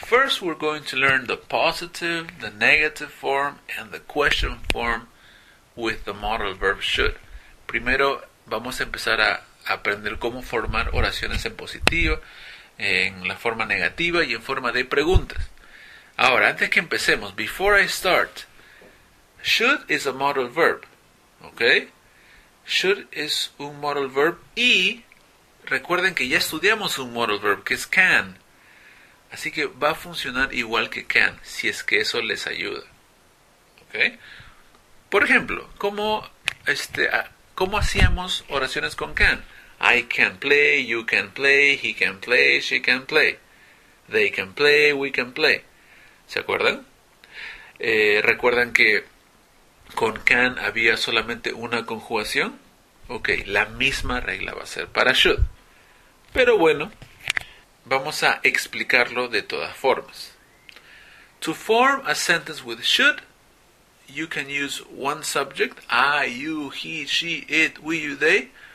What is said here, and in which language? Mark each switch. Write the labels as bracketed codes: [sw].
[en] First, we're going to learn the positive, the negative form, and the question form with the modal verb should. [es] Primero, vamos a empezar a aprender cómo formar oraciones en positivo, en la forma negativa y en forma de preguntas. Ahora, antes que empecemos, [en] before I start, should is a modal verb, ¿ok? Should is [es] un modal verb y recuerden que ya estudiamos un modal verb que es can. Así que va a funcionar igual que can, si es que eso les ayuda, ¿ok? Por ejemplo, ¿cómo hacíamos oraciones con can? [en] I can play, you can play, he can play, she can play. They can play, we can play. [es] ¿Se acuerdan? ¿Recuerdan que con can había solamente una conjugación? Ok, la misma regla va a ser para should. Pero bueno, vamos a explicarlo de todas formas. [en] To form a sentence with should, you can use one subject. I, you, he, she, it, we, you, they.